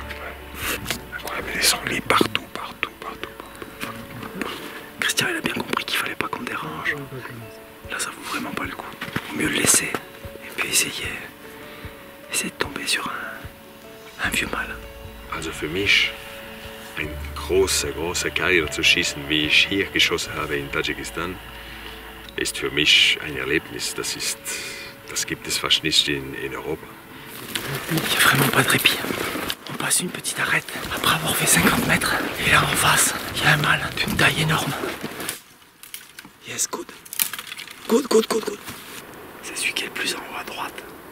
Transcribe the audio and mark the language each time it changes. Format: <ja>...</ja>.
<fr>Ouais. Mais les sangliers partout. Christian, il a bien compris qu'il fallait pas qu'on dérange. Là, ça vaut vraiment pas le coup. Faut mieux le laisser. Et puis essayer de tomber sur un vieux mâle.</fr> <de>mich, ein großer, großer Keiler zu schießen, wie ich hier geschossen habe in Tadschikistan, ist für mich ein Erlebnis. Das gibt es fast nicht in Europa.</de> <fr>Il n'y a vraiment pas de répit. On passe une petite arête après avoir fait 50 mètres. Et là en face, il y a un mâle d'une taille énorme.</fr> <en>Yes, good. Good, good, good, good.</en> <fr>C'est celui qui est le plus en haut à droite.</fr>